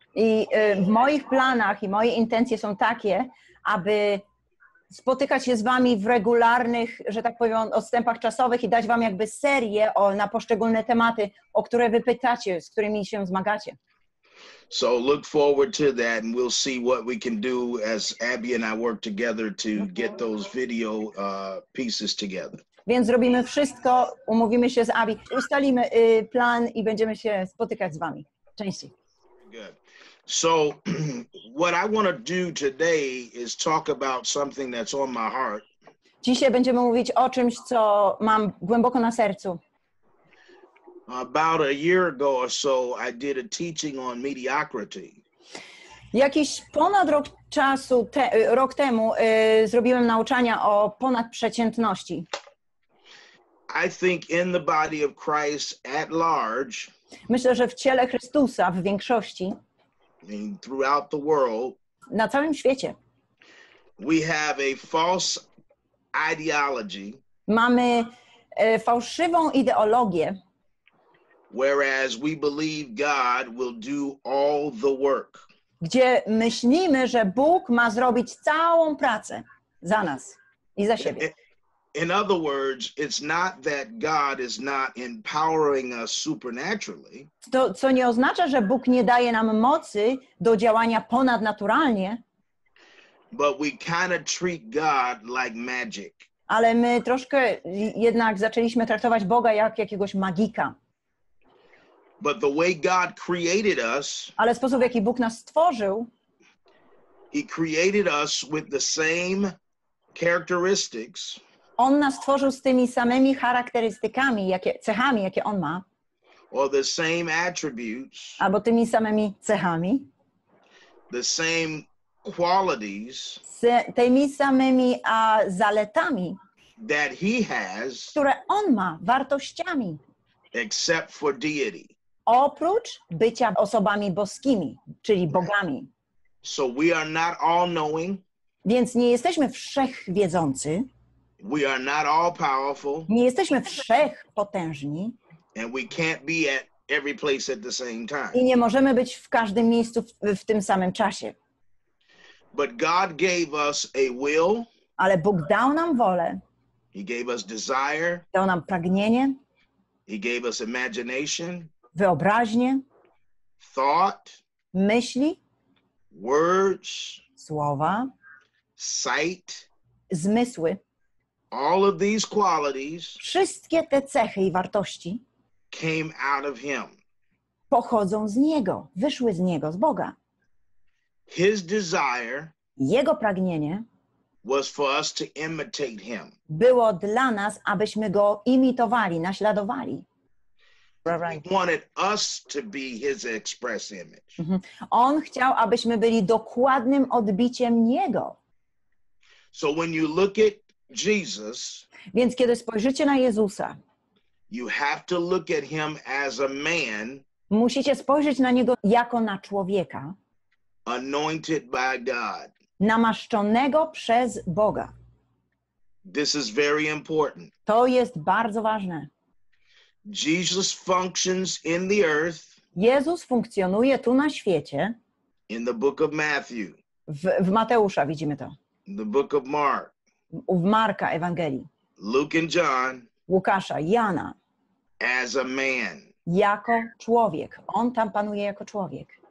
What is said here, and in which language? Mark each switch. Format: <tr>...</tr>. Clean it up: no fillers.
<pl>I w moich planach i moje intencje są takie, aby spotykać się z wami w regularnych, że tak powiem, odstępach czasowych i dać wam jakby serię na poszczególne tematy, o które wy pytacie, z którymi się zmagacie.</pl> <en>So look forward to that and we'll see what we can do as Abby and I work together to get those video pieces together.</en> <pl>Więc zrobimy wszystko, umówimy się z Abby, ustalimy plan i będziemy się spotykać z wami częściej.</pl> <en>Good. So, what I want to do today is talk about something that's on my heart.</en> <pl>Dzisiaj będziemy mówić o czymś, co mam głęboko na sercu.</pl> <en>About a year ago or so, I did a teaching on mediocrity.</en> <pl>Jakiś ponad rok czasu, rok temu, zrobiłem nauczania o ponadprzeciętności.</pl> <en>I think in the body of Christ at large.</en> <pl>Myślę, że w ciele Chrystusa w większości.</pl> <en>Throughout the world,</en> <pl>na całym świecie,</pl> <en>we have a false ideology.</en> <pl>Mamy fałszywą ideologię.</pl> <en>Whereas we believe God will do all the work.</en> <pl>Gdzie myślimy, że Bóg ma zrobić całą pracę za nas i za siebie.</pl> <en>In other words, it's not that God is not empowering us supernaturally.</en> <pl>To, co nie oznacza, że Bóg nie daje nam mocy do działania ponadnaturalnie.</pl> <en>But we kind of treat God like magic.</en> <pl>Ale my troszkę jednak zaczęliśmy traktować Boga jak jakiegoś magika.</pl> <en>But the way God created us.</en> <pl>Ale sposób, w jaki Bóg nas stworzył.</pl> <en>He created us with the same characteristics.</en> <pl>On nas stworzył z tymi samymi charakterystykami, cechami, jakie on ma.</pl> <en>Or the same attributes.</en> <pl>Albo tymi samymi cechami.</pl> <en>The same qualities.</en> <pl>Tymi samymi zaletami.</pl> <en>That he has.</en> <pl>Które on ma, wartościami.</pl> <en>Except for deity.</en> <pl>Oprócz bycia osobami boskimi, czyli bogami.</pl> <en>So we are not all knowing.</en> <pl>Więc nie jesteśmy wszechwiedzący.</pl> <en>We are not all powerful.</en> <pl>Nie jesteśmy wszechpotężni.</pl> <en>And we can't be at every place at the same time.</en> <pl>I nie możemy być w każdym miejscu w tym samym czasie.</pl> <en>But God gave us a will.</en> <pl>Ale Bóg dał nam wolę.</pl> <en>He gave us desire.</en> <pl>Dał nam pragnienie.</pl> <en>He gave us imagination.</en> <pl>Wyobraźnię.</pl> <en>Thought.</en> <pl>Myśli.</pl> <en>Words.</en> <pl>Słowa.</pl> <en>Sight.</en> <pl>Zmysły.</pl> <en>All of these qualities.</en> <pl>Wszystkie te cechy i wartości.</pl> <en>Came out of him.</en> <pl>Pochodzą z niego, wyszły z niego, z Boga.</pl> <en>His desire.</en> <pl>Jego pragnienie</pl> <en>was for us to imitate him.</en> <pl>Było dla nas, abyśmy go imitowali, naśladowali.</pl> <en>He wanted us to be his express image.</en> <pl>On chciał, abyśmy byli dokładnym odbiciem Niego.</pl> <en>So when you look at Jesus,</en> <pl>więc kiedy spojrzycie na Jezusa,</pl> <en>you have to look at him as a man,</en> <pl>musicie spojrzeć na Niego jako na człowieka,</pl> <en>anointed by God.</en> <pl>Namaszczonego przez Boga.</pl> <en>This is very important.</en> <pl>To jest bardzo ważne.</pl> <en>Jesus functions in the earth.</en> <pl>Jezus funkcjonuje tu na świecie.</pl> <en>In the book of Matthew.</en> <pl>W Mateusza widzimy to.</pl> <en>The book of Mark.</en> <pl>W Marka Ewangelii.</pl> <en>Luke and John.</en> <pl>Łukasza, Jana.</pl> <en>As a man.</en> <pl>Jako człowiek. On tam panuje jako człowiek.</pl>